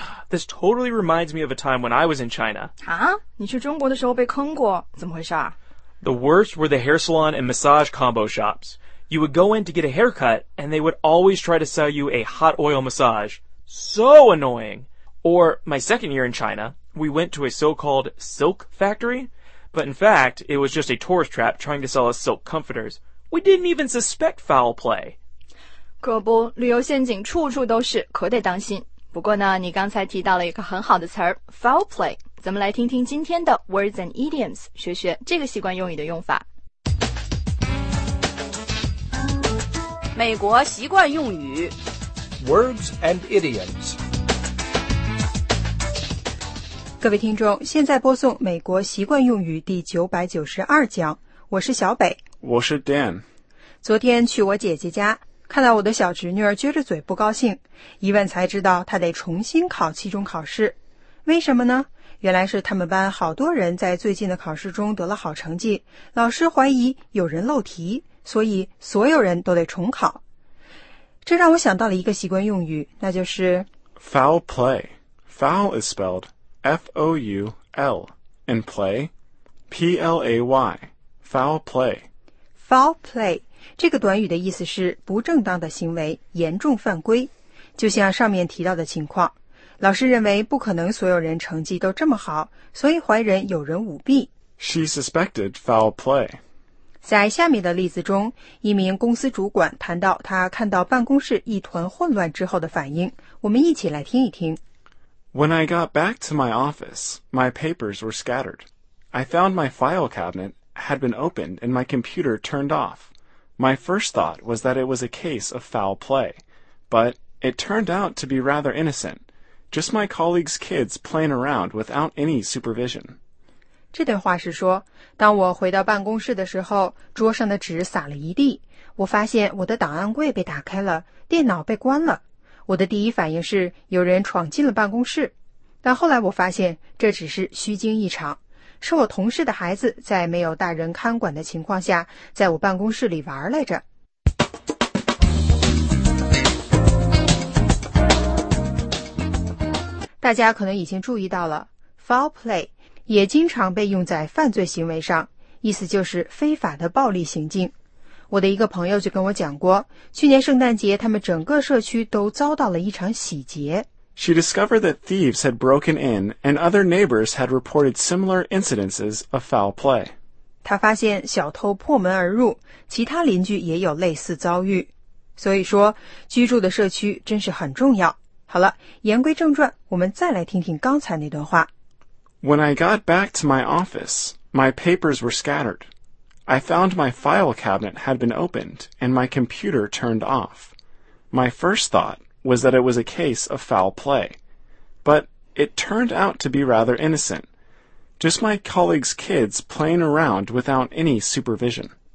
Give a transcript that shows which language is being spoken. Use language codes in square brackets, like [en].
[en] This totally reminds me of a time when I was in China. Huh? [zh] 你去中国的时候被坑过，怎么回事啊？ [en] The worst were the hair salon and massage combo shops. You would go in to get a haircut, and they would always try to sell you a hot oil massage. So annoying! Or my second year in China... We went to a so-called silk factory, but in fact, it was just a tourist trap trying to sell us silk comforters. We didn't even suspect foul play. [zh] 可不，旅游陷阱处处都是，可得当心。不过呢，你刚才提到了一个很好的词儿 ,foul play. 咱们来听听今天的 words and idioms, 学学这个习惯用语的用法。美国习惯用语 [en] words and idioms. [zh] 各位听众，现在播送美国习惯用语第992讲，我是小北。我是 Dan。昨天去我姐姐家，看到我的小侄女儿撅着嘴不高兴，一问才知道她得重新考期中考试。为什么呢？原来是他们班好多人在最近的考试中得了好成绩，老师怀疑有人漏题，所以所有人都得重考。这让我想到了一个习惯用语，那就是 [en] foul play。 foul is spelled F-O-U-L, and play, P-L-A-Y, foul play. [zh] Foul play, 这个短语的意思是不正当的行为，严重犯规。就像上面提到的情况，老师认为不可能所有人成绩都这么好，所以怀人有人舞弊。 [en] She suspected foul play. [zh] 在下面的例子中，一名公司主管谈到他看到办公室一团混乱之后的反应，我们一起来听一听。 [en] When I got back to my office, my papers were scattered. I found my file cabinet had been opened and my computer turned off. My first thought was that it was a case of foul play, but it turned out to be rather innocent, just my colleagues' kids playing around without any supervision. [zh] 这段话是说，当我回到办公室的时候，桌上的纸撒了一地，我发现我的档案柜被打开了，电脑被关了。我的第一反应是有人闯进了办公室，但后来我发现这只是虚惊一场，是我同事的孩子在没有大人看管的情况下在我办公室里玩来着。大家可能已经注意到了， foul play 也经常被用在犯罪行为上，意思就是非法的暴力行径。我的一个朋友就跟我讲过，去年圣诞节他们整个社区都遭到了一场洗劫。 [en] She discovered that thieves had broken in and other neighbors had reported similar incidences of foul play. [zh] 他发现小偷破门而入，其他邻居也有类似遭遇。所以说，居住的社区真是很重要。好了，言归正传，我们再来听听刚才那段话。 [en] When I got back to my office, my papers were scattered. I found my file cabinet had been opened and my computer turned off. My first thought was that it was a case of foul play, but it turned out to be rather innocent. Just my colleague's kids playing around without any supervision.